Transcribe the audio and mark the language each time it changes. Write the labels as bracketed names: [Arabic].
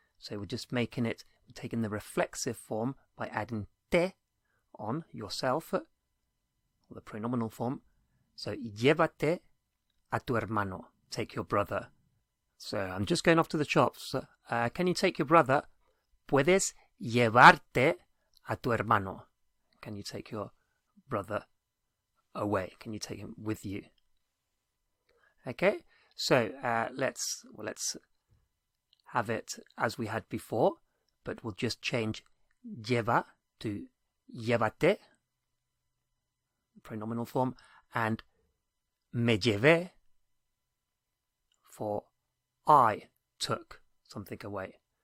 [English] So we're just making it, taking the reflexive form by adding te on yourself, or the pronominal form. So [Spanish] llévate a tu hermano, [English] take your brother. So I'm just going off to the shops. Can you take your brother? [Spanish] Puedes llevarte a tu hermano. [English] Can you take your brother away? Can you take him with you? Okay, so let's have it as we had before, but we'll just change lleva to llévate, pronominal form, and me llevé for I took something away.